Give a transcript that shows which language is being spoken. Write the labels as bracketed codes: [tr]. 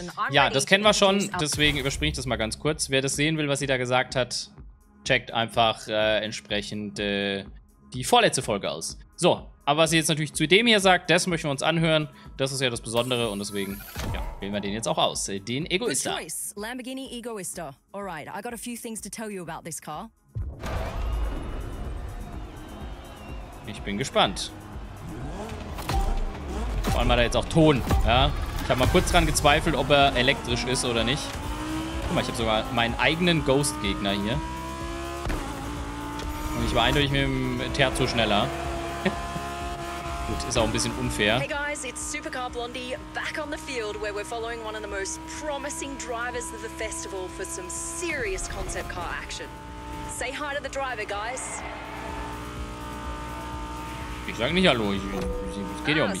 [de] Ja, das kennen wir schon, deswegen überspringe ich das mal ganz kurz. Wer das sehen will, was sie da gesagt hat, checkt einfach entsprechend die vorletzte Folge aus. So, aber was sie jetzt natürlich zu dem hier sagt, das möchten wir uns anhören. Das ist ja das Besondere und deswegen, ja. Wählen wir den jetzt auch aus, den Egoista. [en] Good choice, Lamborghini Egoista. Alright, I got a few things to tell you about this car. [de] Ich bin gespannt. Vor allem hat er jetzt auch Ton, ja. Ich habe mal kurz dran gezweifelt, ob er elektrisch ist oder nicht. Guck mal, ich habe sogar meinen eigenen Ghost-Gegner hier. Und ich war eindeutig mit dem Terzo schneller. Gut, ist auch ein bisschen unfair. [en] Hey guys, it's Supercar Blondie back on the field where we're following one of the most promising drivers of the festival for some serious concept car action. Say hi to the driver, guys. [de] Ich sag nicht hallo, es geht ja um mich.